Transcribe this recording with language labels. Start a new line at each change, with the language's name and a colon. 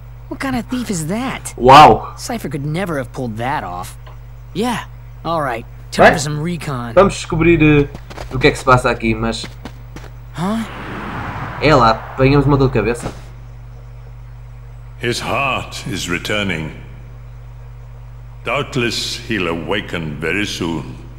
English: What kind of thief is that? Uau! Cypher could never have pulled that off. Yeah, all right. Time for some recon.
Portuguese: Vamos descobrir o que é que se passa aqui, mas... Huh? É lá, apanhamos uma dor de cabeça.
English: His heart is returning. Doubtless he'll awaken very soon.